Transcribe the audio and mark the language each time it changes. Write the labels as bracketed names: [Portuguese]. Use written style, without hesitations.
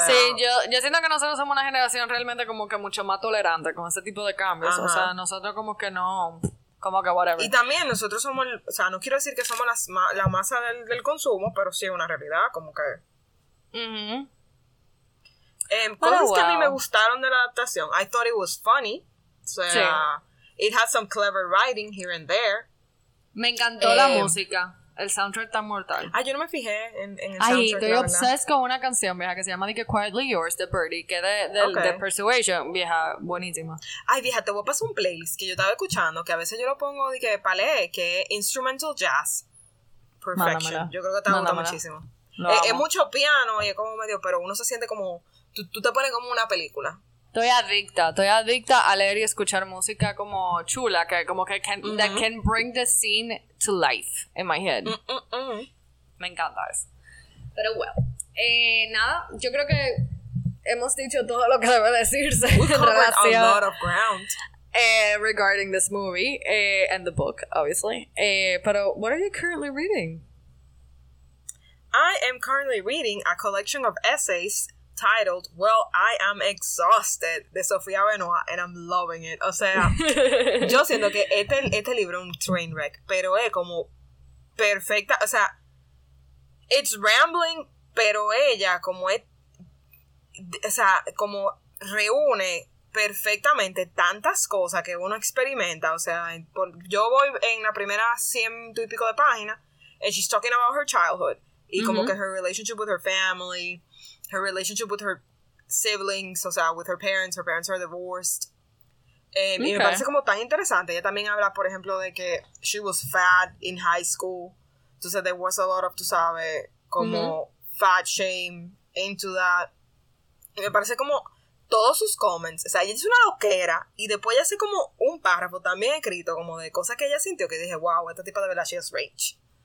[Spanish] Sí, yo siento que nosotros somos una generación realmente como que mucho más tolerante con ese tipo de cambios. Ajá. O sea, nosotros como que no... Como que whatever. Y también nosotros somos... O sea, no quiero decir que somos la masa del consumo, pero sí una realidad, como que... Cosas que a mí me gustaron de la adaptación. [English] I thought it was funny. [Spanish] O sea, sí. [English] It has some clever writing here and there. [Spanish] Me encantó la música. El soundtrack está mortal. Ay, yo no me fijé en el soundtrack. Ay, estoy obsessed con una canción, vieja, que se llama The Quietly Yours, The Birdie, que de Persuasion, vieja, buenísima. Ay, vieja, te voy a pasar un playlist que yo estaba escuchando, que a veces yo lo pongo de que palé, que es Instrumental Jazz Perfection. Yo creo que te gusta muchísimo. Es mucho piano y es como medio, pero uno se siente como, tú te pones como una película. Estoy adicta a leer y escuchar música como chula, que como que [English] that can bring the scene to life in my head. [Spanish] Me encanta eso. Pero bueno, nada, yo creo que hemos dicho todo lo que debe decirse. [English] We covered a lot of ground. Regarding this movie and the book, obviously. Pero, what are you currently reading? I am currently reading a collection of essays titled Well I Am Exhausted de Sofía Benoit, and I'm loving it. [Spanish] O sea, yo siento que este libro es un train wreck, pero es como perfecta. O sea, [English] it's rambling, [Spanish] pero ella como es, o sea, como reúne perfectamente tantas cosas que uno experimenta. O sea, yo voy en la primera 100 y pico de páginas, [English] and she's talking about her childhood [Spanish] y como que [English] her relationship with her family, her relationship with her siblings, [Spanish] o sea, [English] with her parents are divorced. [Spanish] Okay. Y me parece como tan interesante. Ella también habla, por ejemplo, de que [English] she was fat in high school. [Spanish] Entonces, [English] there was a lot of, [Spanish] tú sabes, como [English] fat shame into that. [Spanish] Y me parece como todos sus comments, o sea, ella es una loquera, y después ella hace como un párrafo también escrito, como de cosas que ella sintió, que dije, wow, esta tipa de verdad, [English] she is rich.